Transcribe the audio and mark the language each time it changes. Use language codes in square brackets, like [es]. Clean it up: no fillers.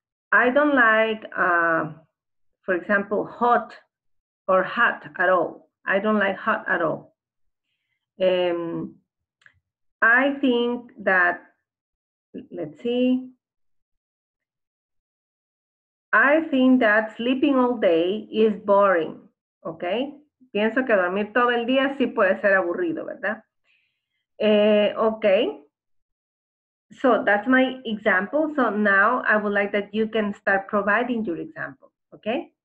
[en] I don't like, for example, hot or hot at all. I don't like hot at all. I think that, let's see. I think that sleeping all day is boring, okay? [es] Pienso que dormir todo el día sí puede ser aburrido, ¿verdad? [en] Okay, so that's my example. So now I would like that you can start providing your example, okay?